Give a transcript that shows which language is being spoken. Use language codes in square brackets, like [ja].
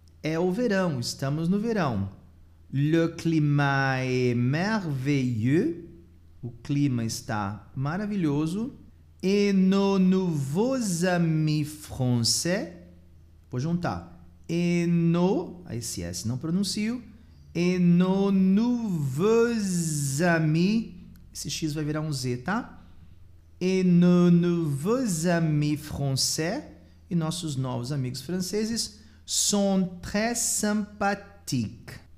[pt] É o verão, estamos no verão. [fr] Le climat est merveilleux. [pt] O clima está maravilhoso. [fr] Et nos nouveaux amis français. [pt] Vou juntar. [fr] Et nos, [pt] aí esse S não pronuncio. [fr] Et nos nouveaux amis. [pt] Esse X vai virar um Z, tá? [fr] Et nos nouveaux amis français. [pt] E nossos novos amigos franceses. [fr] Sont très sympathiques.